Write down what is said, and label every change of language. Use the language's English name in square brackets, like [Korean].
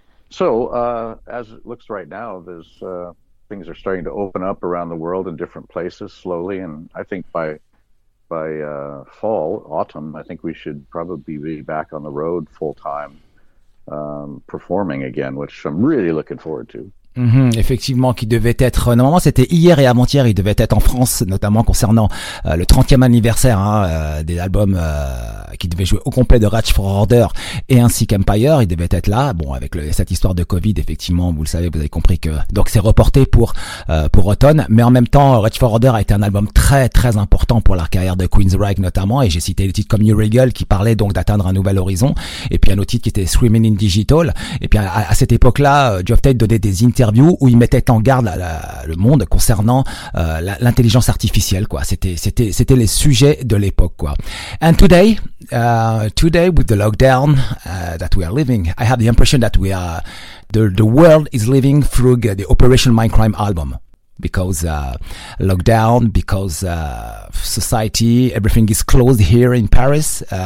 [English] So as it looks right now, there's things are starting to open up around the world in different places slowly, and I think by autumn, I think we should probably be back on the road full time, performing again, which I'm really looking forward to. [French] Effectivement, qui devait être, normalement c'était hier et avant-hier, il devait être en France, notamment concernant le 30e anniversaire des albums qui devaient jouer au complet de Rage for Order et ainsi qu'Empire, il devait être là. Bon, avec cette histoire de Covid, effectivement, vous le savez, vous avez compris que donc c'est reporté pour automne, mais en même temps, Rage for Order a été un album très très important pour la carrière de Queensrÿche notamment, et j'ai cité le titre comme New Regal qui parlait donc d'atteindre un nouvel horizon, et puis un autre titre qui était Screaming in Digital, et puis à cette époque-là, Jeff Tate donnait des interview où il mettait en garde le monde concernant l'intelligence artificielle, quoi. C'était les sujets de l'époque, quoi. [English] And today with the lockdown that we are living, I have the impression that we are the world is living through the Operation Mindcrime album, because lockdown, because society, everything is closed here in Paris.